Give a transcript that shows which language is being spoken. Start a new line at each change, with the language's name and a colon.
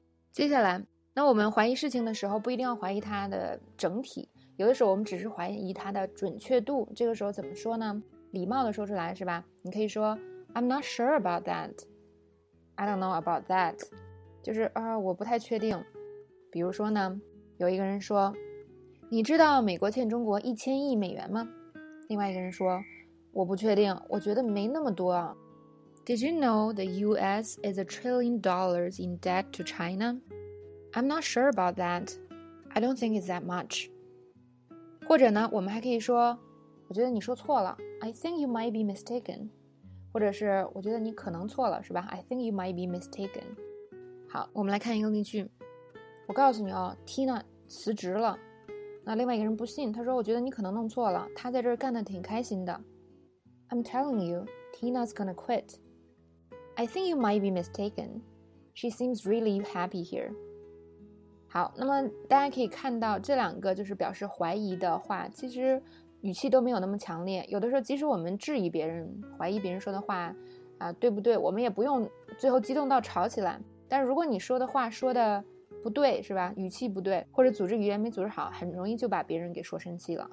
Chinese: 接下来，那我们怀疑事情的时候，不一定要怀疑它的整体，有的时候我们只是怀疑它的准确度。这个时候怎么说呢？礼貌的说出来是吧？
English: 你可以说 I'm not sure about that. I don't know about that. 就是我不太确定。
Chinese: 比如说呢，有一个人说，你知道美国欠中国$1000亿吗？另外一个人说，我不确定，我觉得没那么多啊。
English: Did you know the U.S. is $1 trillion in debt to China? I'm not sure about that. I don't think it's that much.
Chinese: 或者呢，我们还可以说，我觉得你说错了。
English: I think you might be mistaken.
Chinese: 或者是，我觉得你可能错了，是吧？
English: I think you might be mistaken.
Chinese: 好，我们来看一个例句。我告诉你哦， Tina 辞职了。那另外一个人不信，他说，我觉得你可能弄错了。他在这儿干得挺开心的。
English: I'm telling you, Tina's gonna quit. I think you might be mistaken. She seems really happy here.
Chinese: 好，那么大家可以看到这两个就是表示怀疑的话，其实语气都没有那么强烈。有的时候即使我们质疑别人，怀疑别人说的话对不对，我们也不用最后激动到吵起来。但是如果你说的话说的不对是吧，语气不对，或者组织语言没组织好，很容易就把别人给说生气了。